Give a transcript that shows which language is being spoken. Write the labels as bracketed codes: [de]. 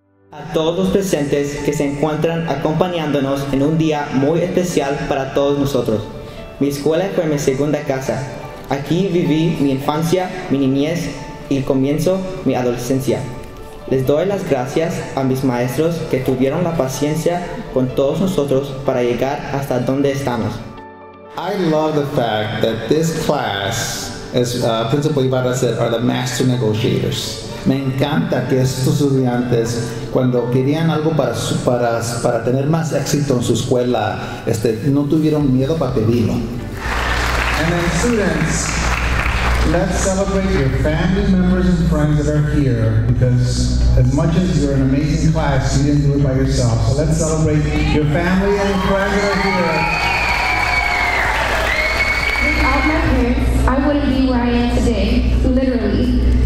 [es] A todos los presentes que se encuentran acompañándonos en un día muy especial para todos nosotros. Mi escuela fue mi segunda casa. Aquí viví mi infancia, mi niñez y comienzo mi adolescencia. Les doy las gracias a mis maestros que tuvieron la paciencia con todos nosotros para llegar hasta donde estamos. [en] I love the fact that this class, as Principal Ibarra said, are the master negotiators. [es] Me encanta que estos estudiantes, cuando querían algo para tener más éxito en su escuela, no tuvieron miedo para pedirlo. [en] And then students, let's celebrate your family members and friends that are here, because as much as you're an amazing class, you didn't do it by yourself. So let's celebrate your family and friends that are here. Without my parents, I wouldn't be where I am today, literally.